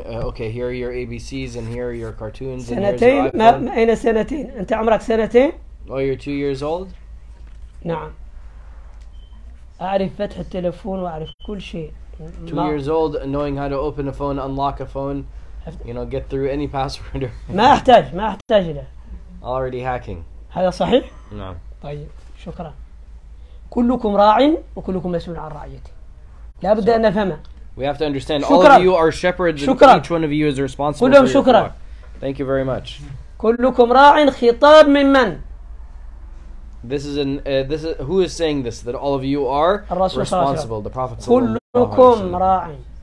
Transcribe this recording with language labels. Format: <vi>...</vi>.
<en>Okay, here are your ABCs and here are your cartoons.</en> <ar>سنتين</ar> <en>and here's</en> <ar>أين سنتين؟ أنت عمرك سنتين؟</ar> <en>Oh, you're 2 years old.</en> <ar>نعم. أعرف فتح التلفون وأعرف كل شيء.</ar> <en>2 years old, knowing how to open a phone, unlock a phone, you know, get through any password.</en> <ar>ما أحتاج ما أحتاج له.</ar> <en>Already hacking.</en> <ar>هذا صحيح؟ نعم. طيب شكرا. كلكم راع وكلكم مسؤول عن رعيته. لا بد أن نفهمه.</ar> <en>We have to understand.</en> <ar>شكرا.</ar> <en>All of you are shepherds.</en> <ar>شكرا.</ar> <en>And each one of you is responsible.</en> <ar>كلهم شكرا.</ar> <en>Thank you very much.</en> <ar>كلكم راع خطاب ممن؟</ar> <en>This is an this is who is saying this, that all of you are responsible, the Prophet</en> <ar>كلكم راعي.</ar>